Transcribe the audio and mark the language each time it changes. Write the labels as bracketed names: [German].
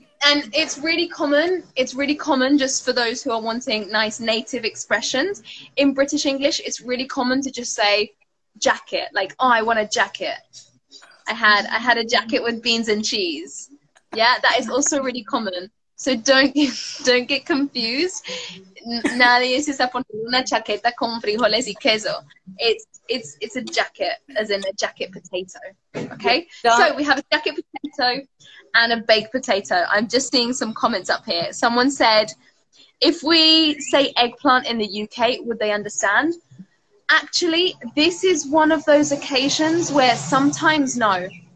[English] And it's really common. It's really common just for those who are wanting nice native expressions. In British English, it's really common to just say jacket. Like, oh, I want a jacket. I had a jacket with beans and cheese. Yeah, that is also really common. So don't get confused. [Spanish] Nadie se está poniendo una chaqueta con frijoles y queso. [English] It's a jacket, as in a jacket potato. Okay? So we have a jacket potato and a baked potato. I'm just seeing some comments up here. Someone said, if we say eggplant in the UK, would they understand? Actually, this is one of those occasions where sometimes no.